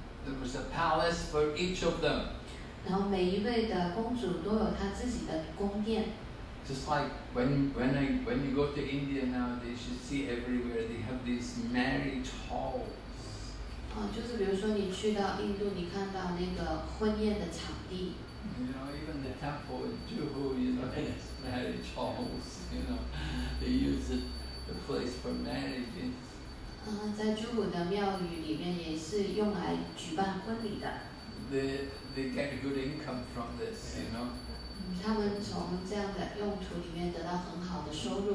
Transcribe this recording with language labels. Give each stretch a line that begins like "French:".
English: There was a palace for each of them.
Chinese: 然后每一位的公主都有她自己的宫殿。
English: Just like when you go to India nowadays, you see everywhere they have these marriage halls.
Chinese: 就是比如说你去到印度，你看到那个婚宴的场地。
English: You know, even the temple in Juhu, you know, it's marriage halls, you know. They use it, the place for marriages.
Chinese: 在朱古的庙宇里面也是用来举办婚礼的。
English: They get a good income from this, you know.
Chinese: 他们从这样的用途里面得到很好的收入。